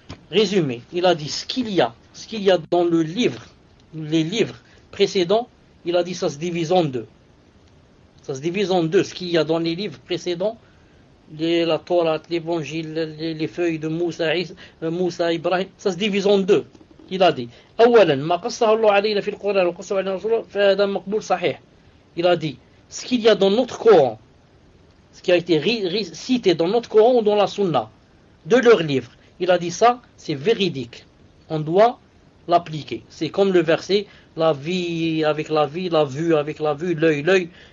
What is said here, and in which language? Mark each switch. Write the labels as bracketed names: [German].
[French] Résumé, il a dit ce qu'il y a dans le livre, les livres précédents, Il a dit ça se divise en deux. Ça se divise en deux, ce qu'il y a dans les livres précédents, la Torah, l'Évangile, les feuilles de Moussa, Ibrahim, ça se divise en deux. Il a dit, [Arabic] أولاً, ما قصه الله علينا في القرآن وقصه علينا رسوله فهذا مقبول صحيح. [French] Il a dit, ce qu'il y a dans notre Coran, ce qui a été cité dans notre Coran ou dans la Sunna, de leur livre, il a dit ça, c'est véridique. On doit l'appliquer. C'est comme le verset, la vie avec la vie, la vue avec la vue, l'œil, l'œil.